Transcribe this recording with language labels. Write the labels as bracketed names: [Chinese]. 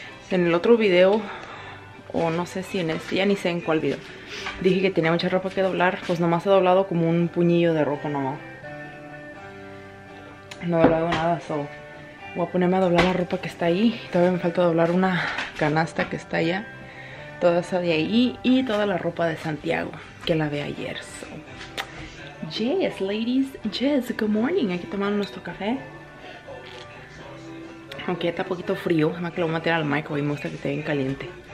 [Spanish] En el otro video, o no sé si en este, ya ni sé en cuál video, dije que tenía mucha ropa que doblar, pues nomás he doblado como un puñillo de ropa, no. No doblado nada, voy a ponerme a doblar la ropa que está ahí. Todavía me falta doblar una canasta que está allá. Toda esa de ahí y toda la ropa de Santiago que la ve ayer. [English] Yes, ladies, yes, good morning. [Spanish] Hay que tomar nuestro café. Aunque ya está un poquito frío, más que lo voy a tirar al mic y me gusta que esté bien caliente.